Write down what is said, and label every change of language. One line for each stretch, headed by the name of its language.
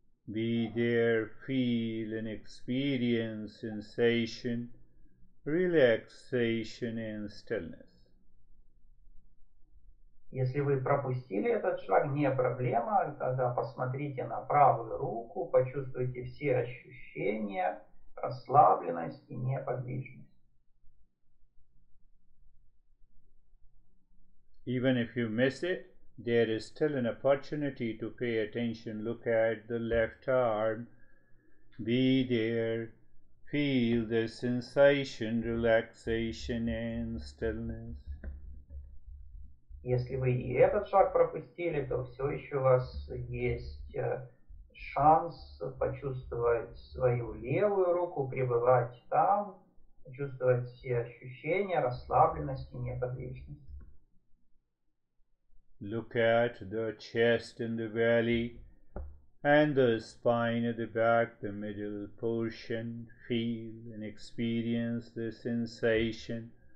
English: Be there. Feel and experience sensation, relaxation and stillness.
Russian: Если вы пропустили этот шаг, не проблема, тогда посмотрите на правую руку, почувствуйте все ощущения, расслабленность и неподвижность.
English: Even if you miss it, there is still an opportunity to pay attention, look at the left arm, be there, feel the sensation, relaxation and stillness.
Russian: Если вы и этот шаг пропустили, то все еще у вас есть шанс почувствовать свою левую руку, пребывать там, почувствовать все ощущения расслабленности, неподвижности.
English: Look at the chest in the belly and the spine at the back, the middle portion, feel and experience the sensation.